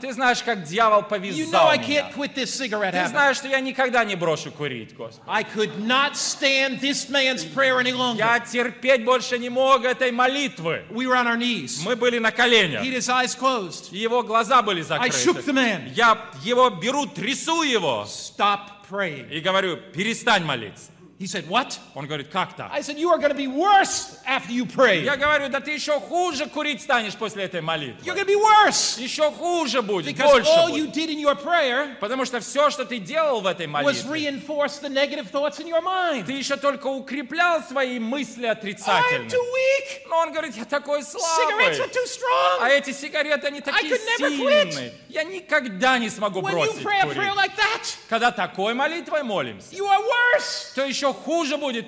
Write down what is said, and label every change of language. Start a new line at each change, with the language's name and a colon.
Russian: Ты знаешь, как дьявол повязал меня.
English: You know I can't quit this cigarette habit.
Russian: Ты знаешь, что я никогда не брошу курить, Господи.
English: I could not stand this man's prayer any longer.
Russian: Я терпеть больше не мог этой молитвы.
English: We were on our knees.
Russian: Мы были на коленях.
English: He had his eyes closed.
Russian: Его глаза были закрыты.
English: I shook the man.
Russian: Я его беру, трясу его.
English: Stop praying.
Russian: И говорю, перестань молиться.
English: He said, what?
Russian: Он говорит, как так?
English: I said, you are going to be worse after you pray.
Russian: Я говорю, да ты еще хуже курить станешь после этой молитвы.
English: You're going to be worse.
Russian: Еще хуже будет,
English: Because
Russian: больше
English: all
Russian: будет.
English: You did in your prayer,
Russian: потому что все, что ты делал в этой молитве,
English: was reinforce the negative thoughts in your mind.
Russian: Ты еще только укреплял свои мысли отрицательные.
English: I'm too weak.
Russian: Но он говорит, я такой слабый.
English: Cigarettes are too strong.
Russian: А эти сигареты, они такие
English: I could never
Russian: сильные.
English: Quit.
Russian: Я никогда не смогу
English: When
Russian: бросить
English: you pray A prayer like that,
Russian: когда такой молитвой молимся,
English: you are worse.
Russian: То еще хуже будет